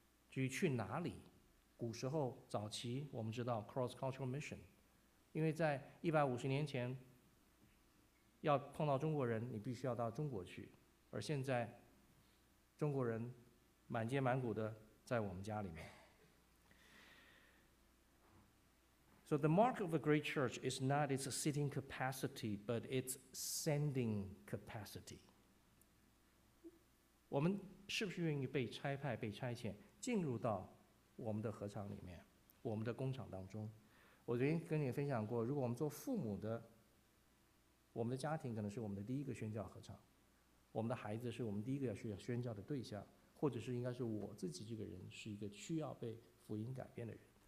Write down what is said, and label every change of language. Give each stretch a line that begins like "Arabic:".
Chinese: 至于去哪里，古时候早期我们知道 cross cultural mission， 因为在150年前要碰到中国人你必须要到中国去，而现在中国人满街满谷的在我们家里面。
English: So the mark of a great church is not its sitting capacity, but its sending capacity.
Chinese: 我们是不是愿意被差派、被差遣进入到我们的合场里面、我们的工厂当中？我昨天跟你分享过，如果我们做父母的，我们的家庭可能是我们的第一个宣教合场，我们的孩子是我们第一个要需要宣教的对象，或者是应该是我自己这个人是一个需要被福音改变的人。